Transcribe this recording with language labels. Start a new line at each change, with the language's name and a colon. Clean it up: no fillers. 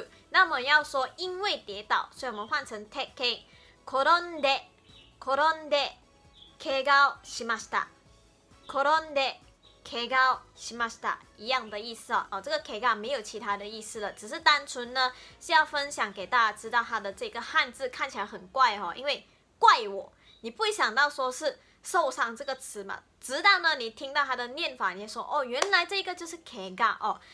Chinese: 那么要说因为跌倒，所以我们换成
English: take care。
Japanese: 転んで転んで怪我しました。転んで怪我しました
Chinese: 一样的意思哦。哦，这个怪我没有其他的意思了，只是单纯呢是要分享给大家知道它的这个汉字看起来很怪哦，因为怪我，你不会想到说是受伤这个词嘛，直到呢你听到它的念法，你说哦，原来这个就是怪我哦。